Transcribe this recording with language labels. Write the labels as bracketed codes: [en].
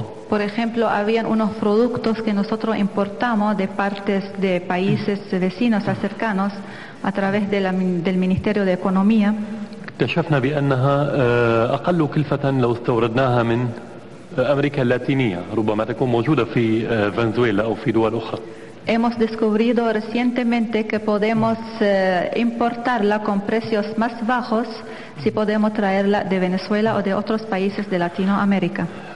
[es] Por ejemplo, habían unos productos que nosotros importamos de partes de países vecinos cercanos a través de del Ministerio de Economía. [ar] اكتشفنا بأنها أقل كلفة لو استوردناها من أمريكا اللاتينية, ربما تكون موجودة في فنزويلا أو في دول أخرى. [es] Hemos descubierto recientemente que podemos importarla con precios más bajos si podemos traerla de Venezuela o de otros países de Latinoamérica.